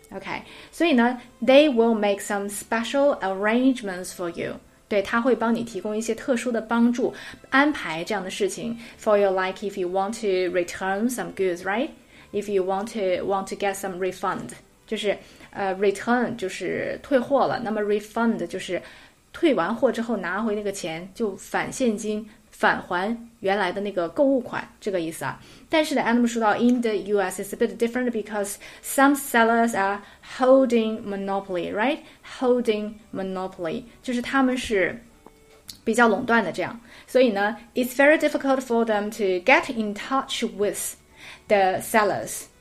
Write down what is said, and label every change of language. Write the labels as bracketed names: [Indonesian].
[English] Okay, so they will make some special arrangements for you. [Chinese] 对，他会帮你提供一些特殊的帮助，安排这样的事情。 [English] For your like, if you want to return some goods, right? If you want to get some refund, [Chinese] 就是return 就是退货了。那么 refund 就是退完货之后拿回那个钱，就返现金。返还原来的那个购物款，这个意思啊。但是呢 ，Adam 说到 ， [English] in the U.S. it's a bit different because some sellers are holding monopoly, right? Holding monopoly [Chinese] 就是他们是比较垄断的这样。所以呢 [English] ，it's very difficult for them to get in touch with the sellers.